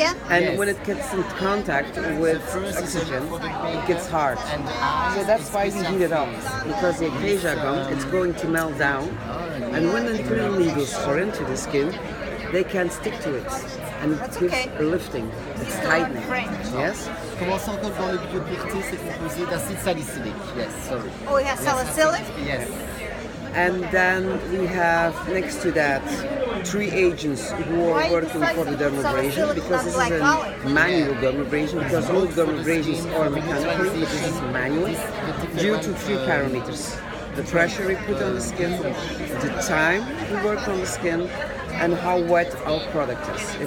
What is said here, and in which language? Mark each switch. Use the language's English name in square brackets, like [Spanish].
[English] And when it gets in contact with oxygen, it gets hard. So that's why we heat it up, because the acacia gum, it's going to melt down. And when the little needles are into the skin, they can stick to it. And it gives a lifting, it's tightening. Yes? [French] Commençons encore dans le bio pureté, c'est composé d'acide salicylique. [English] Yes, sorry. Oh, yes, salicylic? Yes. And then we have next to that 3 agents who are working for the dermabrasion, because this is a manual dermabrasion, because all dermabrasions are mechanical, but this is manual, due to 3 parameters: the pressure we put on the skin, the time we work on the skin, and how wet our product is.